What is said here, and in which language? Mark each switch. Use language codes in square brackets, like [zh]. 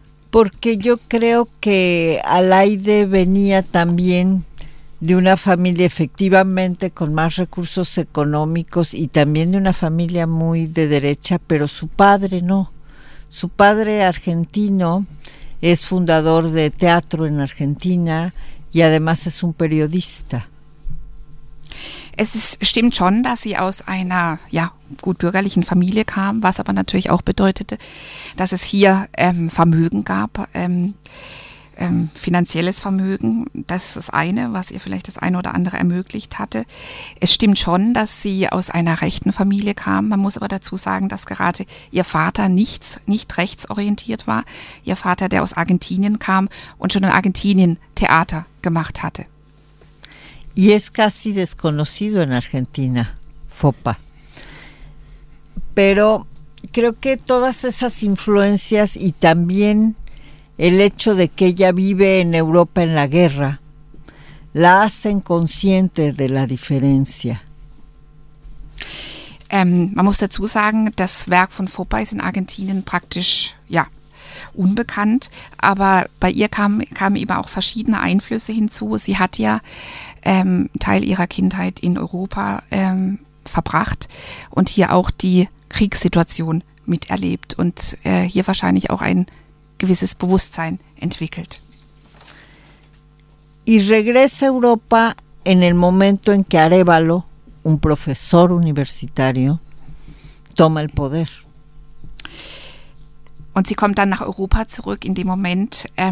[es] Porque yo creo que Aleida venía también de una familia efectivamente con más recursos económicos y también de una familia muy de derecha, pero su padre no. Su padre argentino es fundador de teatro en Argentina y además es un periodista. [de] Stimmt schon, dass sie aus einer gut bürgerlichen Familie kam, was aber natürlich auch bedeutete, dass es hier Vermögen gab, finanzielles Vermögen, das ist das eine, was ihr vielleicht das eine oder andere ermöglicht hatte. Es stimmt schon, dass sie aus einer rechten Familie kam. Man muss aber dazu sagen, dass gerade ihr Vater nicht rechtsorientiert war. Ihr Vater, der aus Argentinien kam und schon in Argentinien Theater gemacht hatte. [es] Y es casi desconocido en Argentina, Foppa. Pero creo que todas esas influencias y también el hecho de que ella vive en Europa en la guerra la hacen consciente de la diferencia. [de] Man muss dazu sagen, das Werk von Foppa ist in Argentinien praktisch unbekannt, aber bei ihr kamen eben auch verschiedene Einflüsse hinzu. Sie hat ja Teil ihrer Kindheit in Europa verbracht und hier auch die Kriegssituation miterlebt und hier wahrscheinlich auch ein gewisses Bewusstsein entwickelt. [es] Y regresa a Europa en el momento en que Arévalo, un profesor universitario, toma el poder. [de] Und sie kommt dann nach Europa zurück in dem Moment,